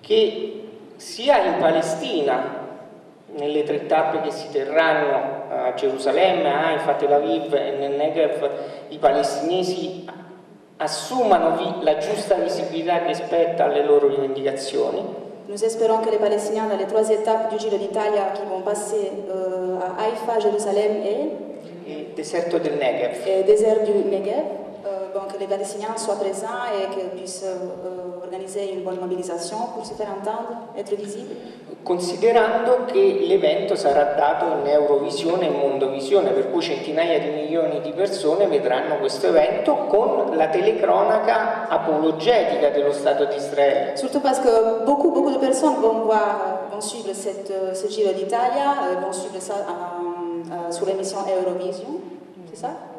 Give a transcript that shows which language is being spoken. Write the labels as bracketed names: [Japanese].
[Italian] Che sia in Palestina, nelle 3 tappe che si terranno a Gerusalemme, infatti la Viv e nel Negev, i palestinesi assumano la giusta visibilità che spetta alle loro rivendicazioni. [French] Nous espérons que les Palestiniens dalle 3 étapes du Giro d'Italia qui vont passer a Haifa, Gerusalemme e [Italian] deserto del Negev. E deserto del Negev. [French] Donc les Palestiniens soient présents et qu'ils puissent organiser une bonne mobilisation pour se faire entendre, être visible. Considérant que l'événement sera [Italian] dato in Eurovisione e Mondovisione, per cui centinaia di milioni di persone vedranno questo evento con la telecronaca apologetica dello Stato di Israele. [French] Surtout parce que beaucoup de personnes vont suivre ce Giro d'Italia, vont suivre ça sur l'émission Eurovision, c'est ça?